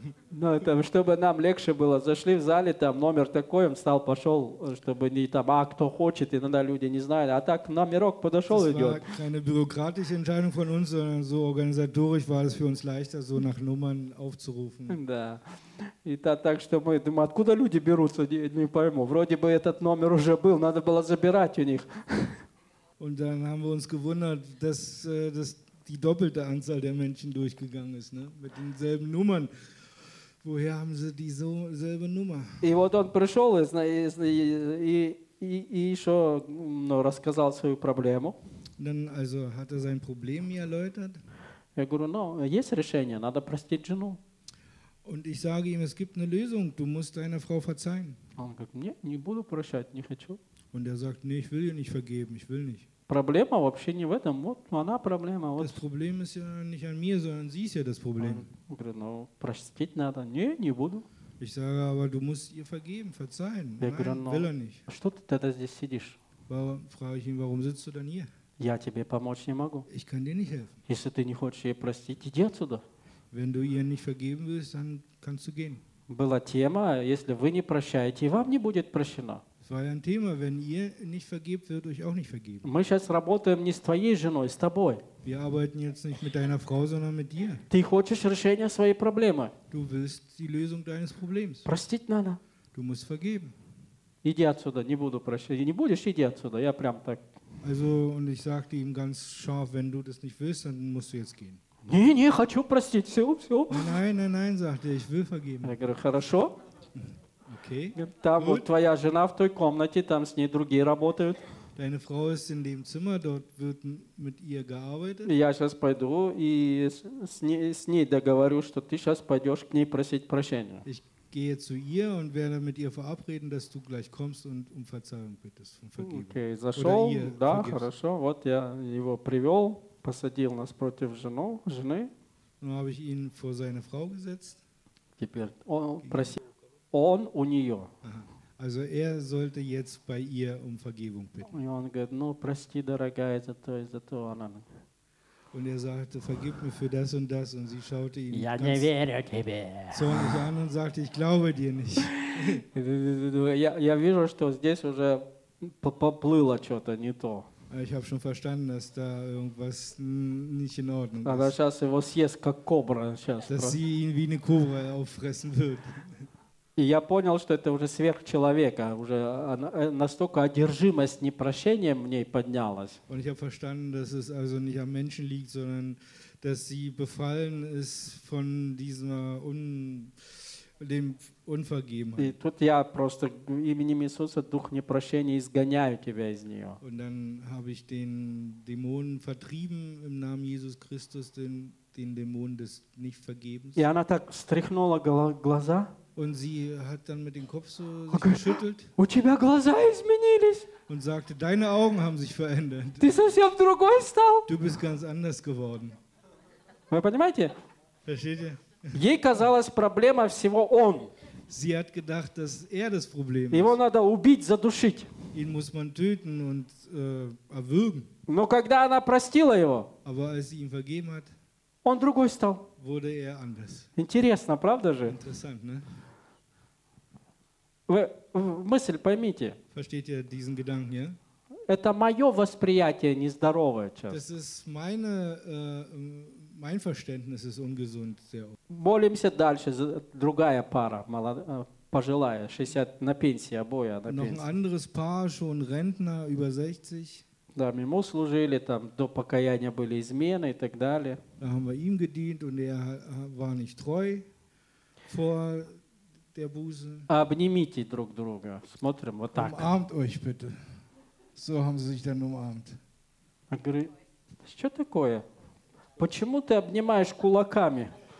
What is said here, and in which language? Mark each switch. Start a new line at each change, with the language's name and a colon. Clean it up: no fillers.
Russian: Ну, там, чтобы нам легче было, зашли в зале, там номер такой, он встал, пошел, чтобы не там, а кто хочет, иногда люди не знали, а так номерок подошел,
German: das
Russian: идет. Это не бюрократическая решение от нас, а
German: so организаторisch war es für uns leichter, so nach Nummern aufzurufen.
Russian: Да. И так что мы думаем, откуда люди берутся, не пойму. Вроде бы этот номер уже был, надо было забирать у них.
German: Und dann haben wir uns gewundert, dass die doppelte Anzahl der Menschen durchgegangen ist, ne? Mit denselben Nummern. Woher haben sie die so selbe Nummer?
Russian: И вот он пришел и еще рассказал свою проблему.
German: Dann also hat sein Problem mir erläutert.
Russian: Я говорю, ну, есть решение, надо простить жену.
German: Und ich sage ihm, es gibt eine Lösung, du musst deiner Frau verzeihen.
Russian: Он говорит, нет, не буду прощать, не хочу.
German: Und er sagt, nee, ich will ihr nicht vergeben, ich will nicht.
Russian: Проблема вообще не в этом. Вот она проблема.
German: Das Problem ist ja nicht an mir, sondern sie ist ja das Problem. Ich sage,
Russian: ну, простить надо. Не, не буду.
German: Ich sage, aber du musst ihr vergeben, verzeihen. Nein, will er nicht.
Russian: Что ты тогда здесь сидишь?
German: Warum, frage ich ihn, warum sitzt du denn hier?
Russian: Я тебе помочь не могу.
German: Ich kann dir nicht helfen.
Russian: Если ты не хочешь ей простить, иди отсюда.
German: Wenn du ihr nicht vergeben willst, dann kannst du gehen.
Russian: Была тема, если вы не прощаете, вам не будет прощено.
German: Es war ja ein Thema, wenn ihr nicht vergebt, wird euch auch nicht vergeben.
Russian: Мы сейчас работаем не с твоей женой, с тобой.
German: Wir arbeiten jetzt nicht mit deiner Frau, sondern mit dir.
Russian: Ты хочешь решение своей проблемы.
German: Du willst die Lösung deines Problems.
Russian: Простить надо.
German: Du musst vergeben.
Russian: Иди отсюда, не буду прощать. Не будешь, иди отсюда. Я прям так.
German: Also, und ich sagte ihm ganz scharf, wenn du das nicht willst, dann musst du jetzt gehen.
Russian: Не, не, хочу простить, все, все.
German: Nein, nein, nein, sagte er, ich will vergeben.
Russian: Я говорю, хорошо.
German: Okay.
Russian: Там вот твоя жена в той комнате, там с ней другие работают.
German: Deine Frau ist in dem Zimmer, dort wird mit ihr gearbeitet.
Russian: Я сейчас пойду и с ней договорю, что ты сейчас пойдешь к ней просить прощения.
German: Ich gehe zu ihr und werde mit ihr verabreden, dass du gleich kommst und um Verzeihung bittest, um Vergebung.
Russian: Okay, зашел, да, vergibst. Хорошо, вот я его привел, посадил нас против жены.
German: Nun habe ich ihn vor seine Frau gesetzt.
Russian: Теперь он просит. Он у нее.
German: Also er sollte jetzt bei ihr um Vergebung bitten.
Russian: И он говорит, ну прости, дорогая, за то она.
German: Und er sagte, vergib mir für das und das. Und sie schaute ihn
Russian: ganz не верю тебе.
German: Zornig an und sagte, ich glaube dir nicht.
Russian: Я вижу, что здесь уже поплыло что-то не то.
German: Ich habe schon verstanden, dass da irgendwas nicht in Ordnung ist.
Russian: Она сейчас его съест, как кобра. Сейчас.
German: Dass sie ihn wie eine Kobra auffressen wird.
Russian: И я понял, что это уже сверхчеловека, уже настолько одержимость непрощением в ней поднялась.
German: Und ich habe verstanden, dass es also nicht am Menschen liegt, sondern dass sie befallen ist von dieser dem Unvergebenheit.
Russian: И тут я просто именем Иисуса дух непрощения изгоняю тебя из нее.
German: Und dann habe ich den Dämonen vertrieben im Namen Jesus Christus, den Dämon des Nichtvergebens.
Russian: И она так встряхнула глаза.
German: Und sie hat dann mit dem Kopf so sich geschüttelt.
Russian: У тебя глаза изменились.
German: Und sagte, deine Augen haben sich verändert.
Russian: Ты совсем другой стал.
German: Du bist ganz anders geworden.
Russian: Вы понимаете?
German: Versteht ihr?
Russian: Ей казалась проблема всего он.
German: Sie hat gedacht, dass er das Problem
Russian: Его
German: ist.
Russian: Надо убить, задушить.
German: Ihn muss man töten und erwürgen.
Russian: Но когда она простила его.
German: Aber als sie ihm vergeben hat.
Russian: Он другой стал.
German: Wurde er anders.
Russian: Интересно, правда же?
German: Interessant, ne?
Russian: Вы мысль поймите.
German: Versteht ihr diesen Gedanken, ja?
Russian: Это мое восприятие нездоровое часто.
German: Das ist meine, mein Verständnis ist ungesund, sehr oft.
Russian: Молимся дальше, другая пара, пожилая, 60, на пенсии, обои на пенсии.
German: Noch ein anderes Paar, schon Rentner, über 60.
Russian: Да, мы ему служили, там, до покаяния были измены и так далее.
German: Da haben wir ihm gedient und er war nicht treu vor der Buße.
Russian: Обнимите друг друга, смотрим вот так.
German: Umarmt euch bitte. So haben sie sich dann umarmt.
Russian: Что такое? Почему ты обнимаешь кулаками?